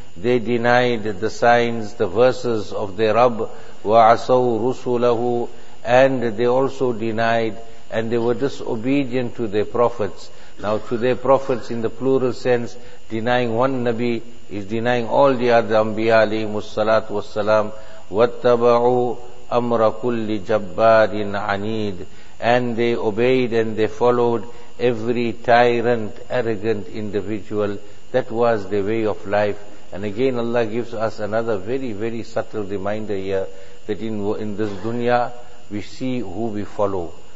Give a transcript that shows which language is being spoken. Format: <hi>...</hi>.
<en>They denied the signs, the verses of their Rabb.</en> <ar>وَعَصَوْا رُسُولَهُ.</ar> <en>And they also denied, and they were disobedient to their prophets. Now to their prophets in the plural sense, denying one Nabi is denying all the other Anbiya alayhimu salatu wassalam.</en> <ar>وَاتَّبَعُوا أَمْرَ كُلِّ جَبَّارٍ عَنِيدٍ.</ar> <en>And they obeyed and they followed every tyrant, arrogant individual. That was the way of life. And again Allah gives us another very, very subtle reminder here, that in this dunya we see who we follow.</en>